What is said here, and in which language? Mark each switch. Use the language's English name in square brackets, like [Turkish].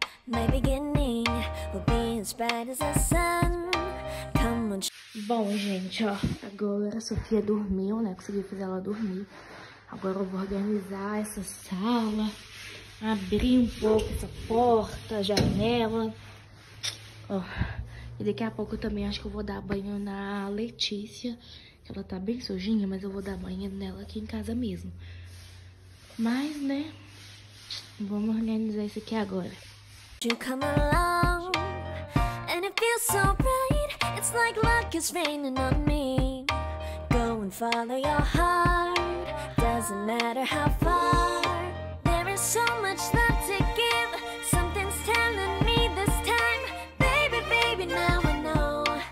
[English] My beginning will be as bright as the sun. Come on. [Portuguese] Bom, gente, ó. Agora a Sofia dormiu, né? Consegui fazer ela dormir. Agora eu vou organizar essa sala. Abrir um pouco essa porta, janela. Ó. E daqui a pouco eu também acho que eu vou dar banho na Letícia. Ela tá bem sujinha, mas eu vou dar banho nela aqui em casa mesmo. Mas, né? Vamos organizar isso aqui agora. [English] You come along, and it feels so bright. It's like luck is raining on me. Go and follow your heart. Doesn't matter how far. There is so much love to give. Something's telling me this time. Baby, baby, now I know.